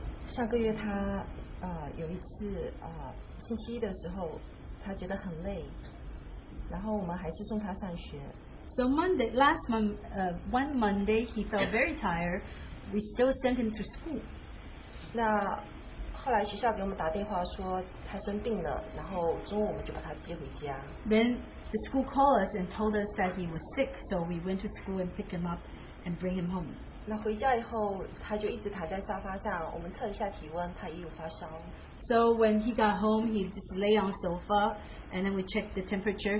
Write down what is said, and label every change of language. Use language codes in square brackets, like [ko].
[zh] 上个月他, 有一次, 星期一的时候, 他觉得很累, 然后我们还是送他上学。 [en] So Monday, last month, one Monday, he felt very tired. We still sent him to school. [zh] 后来学校给我们打电话说他生病了，然后中午我们就把他接回家。 [en] Then the school called us and told us that he was sick, so we went to school and picked him up and bring him home. [zh] 那回家以后，他就一直躺在沙发上，我们测一下体温，他也有发烧。 [en] So when he got home, he just lay on sofa, and then we checked the temperature.